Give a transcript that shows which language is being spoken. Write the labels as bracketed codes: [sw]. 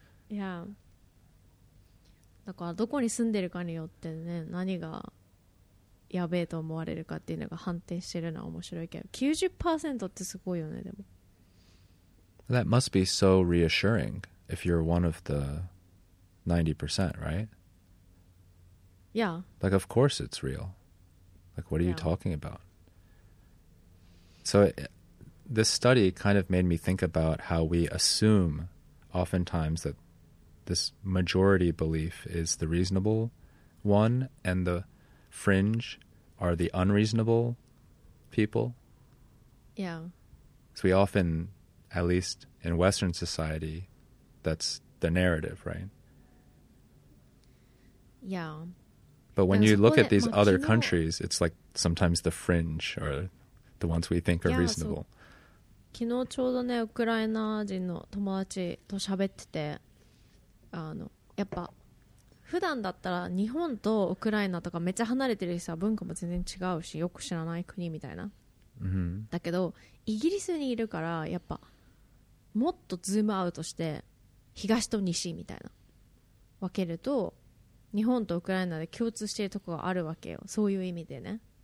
[ja] いや、だからどこに住んでるかによってね、何がやべえと思われるかっていうのが判定してるのは面白いけど、 90% ってすごいよね。でも [en] That must be so reassuring if you're one of the 90%, right? Yeah. Like, of course it's real. Like, what are you talking about? So this study kind of made me think about how we assume oftentimes that this majority belief is the reasonable one and the fringe are the unreasonable people. Yeah. So we often, at least in Western society, that's the narrative, right? Yeah. But when you look at these other countries, it's like sometimes the fringe or the ones we think are reasonable. [ja] そう。昨日ちょうどね、ウクライナ人の友達と喋ってて、あの、やっぱ普段だったら日本とウクライナとかめっちゃ離れてるしさ、文化も全然違うし、よく知らない国みたいな。 Mm-hmm. だけどイギリスにいるから、やっぱもっとズームアウトして東と西みたいな分けると、日本とウクライナで共通してるとこがあるわけよ、そういう意味でね。